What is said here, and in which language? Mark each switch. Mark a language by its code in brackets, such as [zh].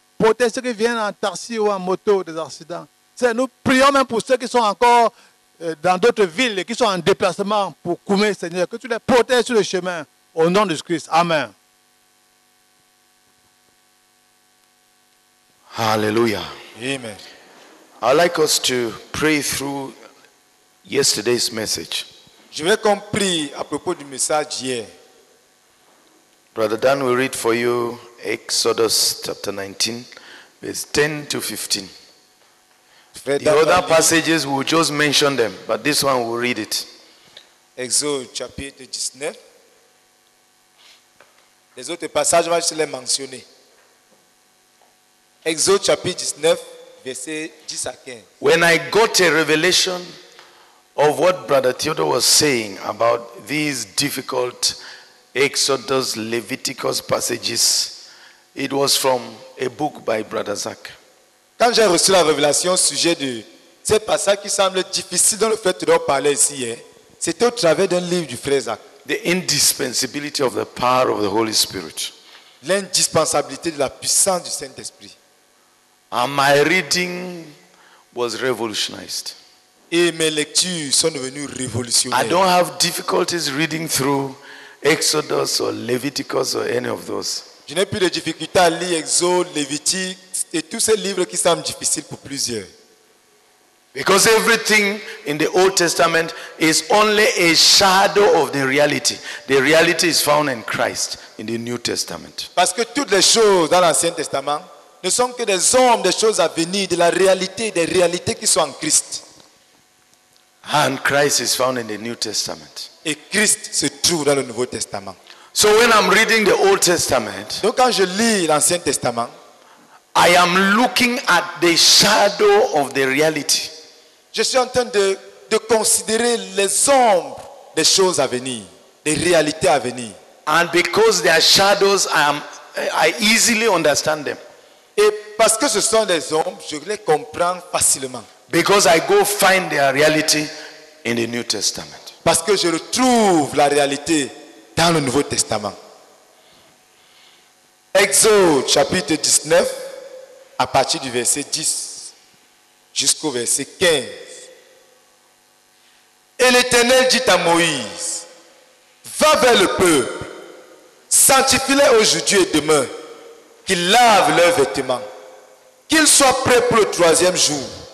[fr] Protège ceux qui viennent en taxi ou en moto, des accidents. Seigneur, nous prions même pour ceux qui sont encore dans d'autres villes et qui sont en déplacement pour Koumé, Seigneur, que tu les protèges sur le chemin, au nom de Christ. Amen. Hallelujah. Amen. [en] I'd like us to pray through yesterday's message. [fr] Je vais qu'on prie à propos du message hier. [en] Brother Dan will read for you Exodus chapter 19, verse 10 to 15. The other passages, we'll just mention them, but this one we'll read it. [fr] Exode chapitre 19. Les autres passages, je vais les mentionner. Exode chapitre 19, verset 10 à 15. [en] When I got a revelation of what Brother Theodore was saying about these difficult Exodus, Leviticus passages, it was from a book by Brother Zach. [fr] Quand j'ai reçu la révélation au sujet de ces passages qui semblent difficiles dans le fait de parler ici, hein, c'était au travers d'un livre du frère Zach. [en] The indispensability of the power of the Holy Spirit. [fr] L'indispensabilité de la puissance du Saint-Esprit. [en] And my reading was revolutionized. [fr] Et mes lectures sont devenues révolutionnaires. [en] I don't have difficulties reading through Exodus or Leviticus or any of those. [fr] Je n'ai plus de difficulté à lire Exode, Lévitique et tous ces livres qui semblent difficiles pour plusieurs. [en] Because everything in the Old Testament is only a shadow of the reality. The reality is found in Christ in the New Testament. [fr] Parce que toutes les choses dans l'Ancien Testament ne sont que des ombres, des choses à venir, de la réalité, des réalités qui sont en Christ. [en] And Christ is found in the New Testament. [fr] Et Christ se trouve dans le Nouveau Testament. [en] So when I'm reading the Old Testament, [fr] donc quand je lis l'Ancien Testament, [en] I am looking at the shadow of the reality. [fr] Je suis en train de considérer les ombres des choses à venir, des réalités à venir. [en] And because they are shadows, I easily understand them. [fr] Et parce que ce sont des hommes, je les comprends facilement. [en] Because I go find their reality in the New Testament. [fr] Parce que je retrouve la réalité dans le Nouveau Testament. Exode chapitre 19, à partir du verset 10 jusqu'au verset 15. Et l'Éternel dit à Moïse, va vers le peuple, sanctifie-les aujourd'hui et demain, qu'ils lavent leurs vêtements, qu'ils soient prêts pour le troisième jour.